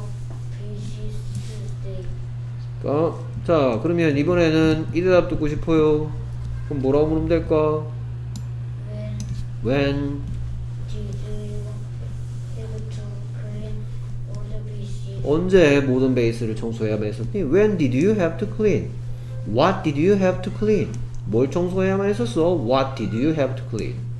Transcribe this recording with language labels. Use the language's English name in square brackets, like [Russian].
[English] I need to clean all the pages today. [Korean] 자, 그러면 이번에는 이 대답 듣고 싶어요. 그럼 뭐라고 물으면 될까? [English] When did you have to clean all the pages? [Korean] 언제 모든 베이스를 청소해야 했었니? [English] When did you have to clean? What did you have to clean? [Korean] 뭘 청소해야만 했었어? [English] What did you have to clean?